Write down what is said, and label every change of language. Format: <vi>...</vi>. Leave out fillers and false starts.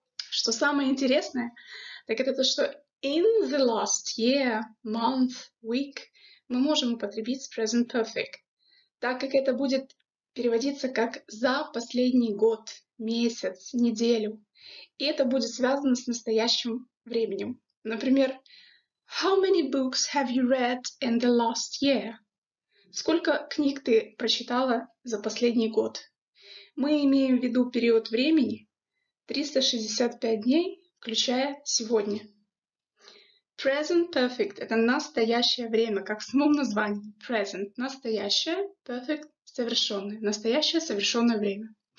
<ru>Что самое интересное, так это то, что</ru> <en>in the last year, month, week</en> <ru>мы можем употребить в present perfect, так как это будет переводиться как за последний год, месяц, неделю. И это будет связано с настоящим временем. Например,</ru> <en>how many books have you read in the last year?</en> <ru>Сколько книг ты прочитала за последний год? Мы имеем в виду период времени 365 дней, включая сегодня. Present perfect – это настоящее время, как в самом названии. Present – настоящее, perfect – совершенное. Настоящее совершенное время.</ru>